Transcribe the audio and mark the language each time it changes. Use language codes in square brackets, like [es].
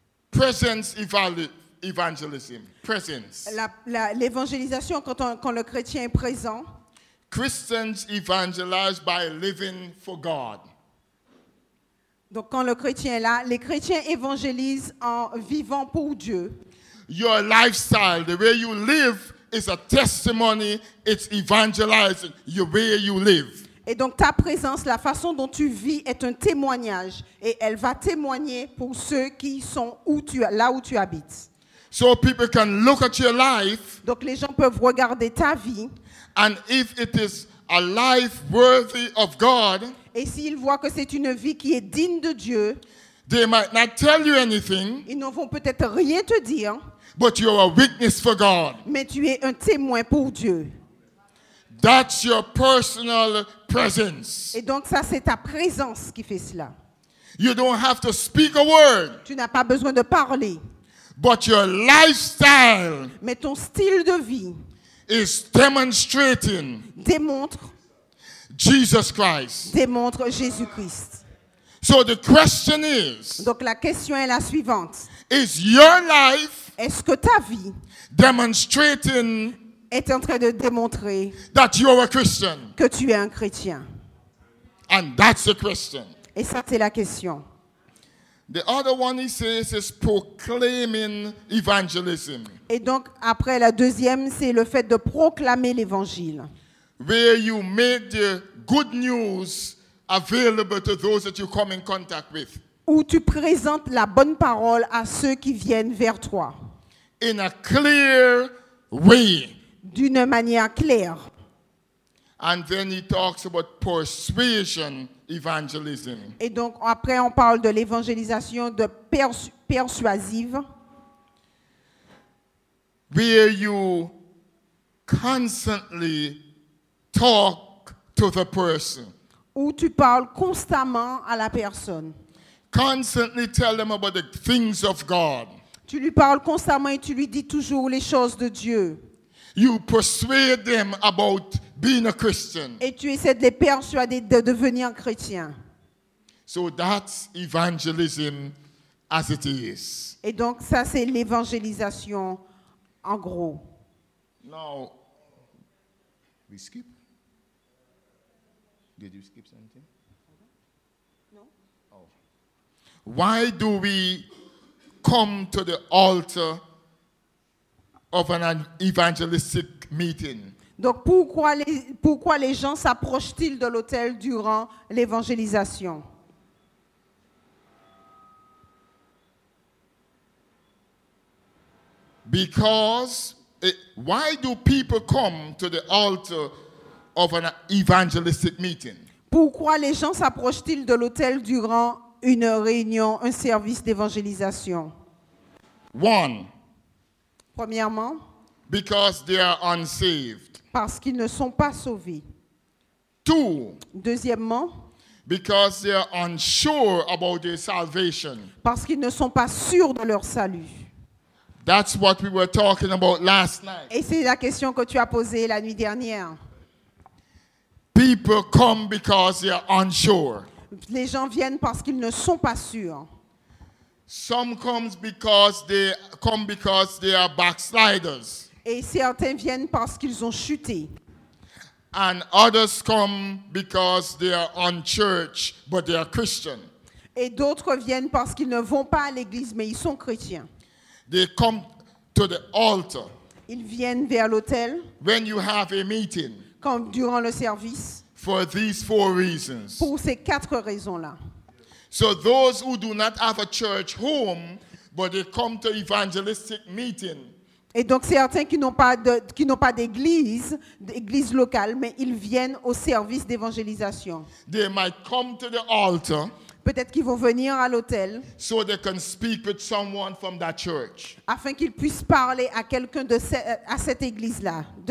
[en] Presence evangelism. Presence. [fr] L'évangélisation quand le chrétien est présent. [en] Christians evangelize by living for God. [fr] Donc quand le chrétien est là, les chrétiens évangélisent en vivant pour Dieu. [en] Your lifestyle, the way you live is a testimony, it's evangelizing the way you live. [fr] Et donc ta présence, la façon dont tu vis est un témoignage et elle va témoigner pour ceux qui sont là où tu habites. [en] So people can look at your life. [fr] Donc les gens peuvent regarder ta vie. [en] And if it is a life worthy of God, [fr] et s'ils voient que c'est une vie qui est digne de Dieu, [en] they might not tell you anything, [fr] ils ne vont peut-être rien te dire, [en] but you are a witness for God. [fr] Mais tu es un témoin pour Dieu. [en] That's your personal presence. [fr] Et donc ça, c'est ta présence qui fait cela. [en] You don't have to speak a word. [fr] Tu n'as pas besoin de parler. [en] But your lifestyle. [fr] Mais ton style de vie. [en] Is demonstrating. [fr] Démontre. [en] Jesus Christ. [fr] Démontre Jésus Christ. [en] So the question is. [fr] Donc la question est la suivante. [en] Is your life. [fr] Est-ce que ta vie. [en] Demonstrating. [fr] Est en train de démontrer. [en] That you are a Christian. [fr] Que tu es un chrétien. [en] And that's the question. [fr] Et ça, c'est la question. [en] The other one he says is proclaiming evangelism. [fr] Et donc, après, la deuxième, c'est le fait de proclamer l'évangile. [en] Where you make the good news available to those that you come in contact with. [fr] Où tu présentes la bonne parole à ceux qui viennent vers toi. [en] In a clear way. [fr] D'une manière claire. [en] And then he talks about persuasion. Evangelism. [fr] Et donc après on parle de l'évangélisation de persuasive. [en] Where you constantly talk to the person. [fr] Où tu parles constamment à la personne. [en] Constantly tell them about the things of God. [fr] Tu lui parles constamment et tu lui dis toujours les choses de Dieu. [en] You persuade them about being a Christian. [fr] Et tu essaies de les persuader de devenir chrétien. [en] So that's evangelism as it is. [fr] Et donc ça c'est l'évangélisation en gros. [en] Now, we skip? Did you skip something? No. Oh. Why do we come to the altar of an evangelistic meeting? [fr] Donc pourquoi les gens s'approchent-ils de l'autel durant l'évangélisation? [en] Because why do people come to the altar of an evangelistic meeting? [fr] Pourquoi les gens s'approchent-ils de l'autel durant une réunion, un service d'évangélisation? [en] One. [fr] Premièrement, [en] because they are unsaved. [fr] Parce qu'ils ne sont pas sauvés. [en] Two. [fr] Deuxièmement, [en] because they are unsure about their salvation. [fr] Parce qu'ils ne sont pas sûrs de leur salut. [en] That's what we were talking about last night. [fr] Et c'est la question que tu as posée la nuit dernière. [en] People come because they are unsure. [fr] Les gens viennent parce qu'ils ne sont pas sûrs. [en] Some comes because they come because they are backsliders. [fr] Et certains viennent parce qu'ils ont chuté. [en] And others come because they are on church, but they are Christian. [fr] Et d'autres viennent parce qu'ils ne vont pas à l'église, mais ils sont chrétiens. [en] They come to the altar. [fr] Ils viennent vers l'autel. [en] When you have a meeting. [fr] Quand durant le service. [en] For these four reasons. [fr] Pour ces quatre raisons-là. [en] So those who do not have a church home, but they come to evangelistic meeting. [fr] Et donc certains qui n'ont pas d'église locale, mais ils viennent au service d'évangélisation. [en] They might come to the altar. [fr] Peut-être qu'ils vont venir à l'autel. [en] So they can speak with someone from that church. [fr] Afin qu'ils puissent parler à quelqu'un de cette église-là.